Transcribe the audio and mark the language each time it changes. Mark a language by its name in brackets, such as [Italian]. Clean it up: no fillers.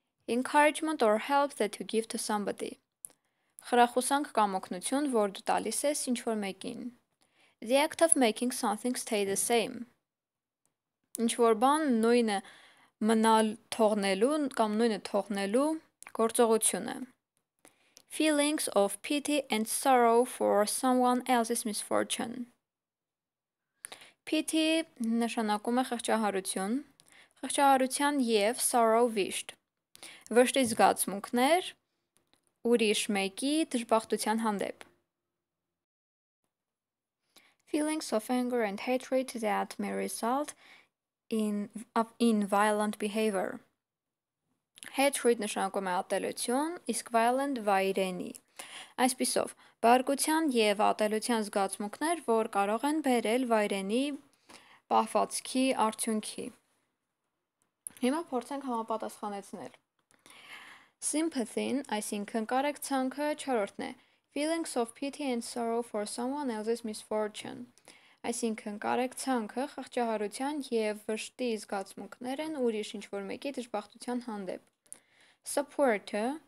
[English] encouragement or help that you give to somebody, [Armenian] խրախուսանք կամ օգնություն, որ դու տալիս ես ինչ-որ մեկին, [English] the act of making something stay the same, [Armenian] ինչ-որ բան նույնը մնալ թողնելու կամ նույնը թողնելու [English] գործողությունը, feelings of pity and sorrow for someone else's misfortune. [Armenian] Pity նշանակում է խղճահարություն, խղճահարության եւ sorrow վիշտ, վշտի զգացմունքներ ուրիշ մեկի դժբախտության հանդեպ. [English] Feelings of anger and hatred that may result in violent behavior. [Armenian] Hatred նշանակում է ատելություն, իսկ violent վայրենի։ Այսպիսով, բարկության եւ ատելության զգացմունքներ, որ կարող են բերել վայրենի պահվածքի արդյունքի։ Հիմա փորձենք համապատասխանեցնել։ Sympathy-ն, այսինքն կարեկցանքը, չորրորդն է։ [English] Feelings of pity and sorrow for someone else's misfortune։ [Armenian] Այսինքն կարեկցանքը խղճահարության եւ վշտի զգացմունքներ են ուրիշ ինչ-որ մեկի դժբախտության հանդեպ։ Support-ը,